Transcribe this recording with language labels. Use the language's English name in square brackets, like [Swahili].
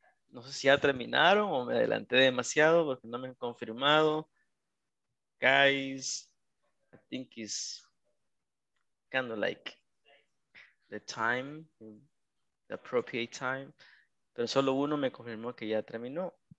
[Spanish] No sé si ya terminaron o me adelanté demasiado porque no me han confirmado. [English] Guys, I think it's kind of like the time, the appropriate time. [Spanish] Pero solo uno me confirmó que ya terminó.